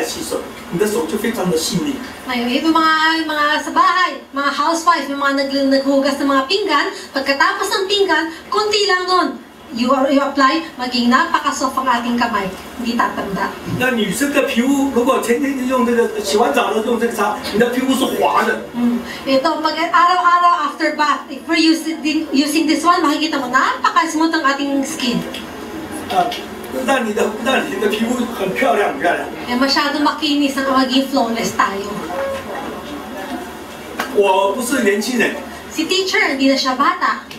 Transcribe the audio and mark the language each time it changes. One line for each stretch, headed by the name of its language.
Chinese: 尤其家庭主妇常常在洗碗盘，洗完的时候你就加一点在洗手，你的手就非常的细腻。
Filipino: Ngayon, mga sa bahay, mga housewife, yung mga naglinagugas ng mga pinggan, pagkatapos ng pinggan, konti lang nun.
English: You apply,
Filipino: maging napaka-soft ang ating kamay, hindi tatanda.
Chinese: 那女生的皮肤如果天天用这个洗完澡了用这个擦，你的皮肤是滑的。
Filipino: Ito pag araw-araw
English: after bath, if we're using this one,
Filipino: makikita mo napaka-smooth ang ating skin.
Chinese: 那你的皮肤很漂亮，漂亮。
Filipino: Masyado makinis ang maging flawless tayo.
Chinese: 我不是年轻人。
Filipino: Si teacher, hindi na siya bata.